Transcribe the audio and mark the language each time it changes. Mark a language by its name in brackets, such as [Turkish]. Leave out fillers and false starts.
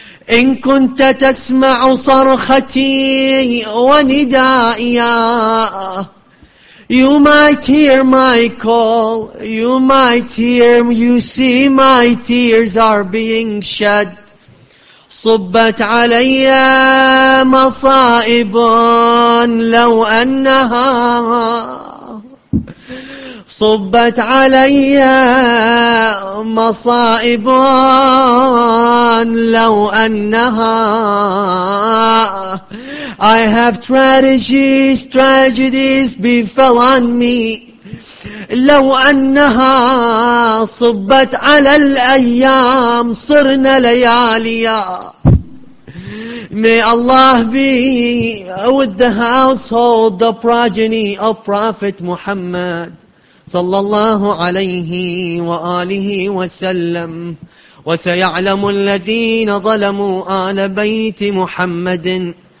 [Arabic] إن كنت تسمع صرختي وندائيا [English] You might hear my call, you might hear, you see my tears are being shed. [Arabic] صبت علي مصائب لو أنها صبت علي مصائب لو أنها [English] I have tragedies befell on me. [Arabic] لو أنها صبت على الأيام صرنا لياليا. [English] May Allah be with the household, the progeny of Prophet Muhammad, [Arabic] صلى الله عليه وآله وسلم. وسيعلم الذين ظلموا آل بيت محمد.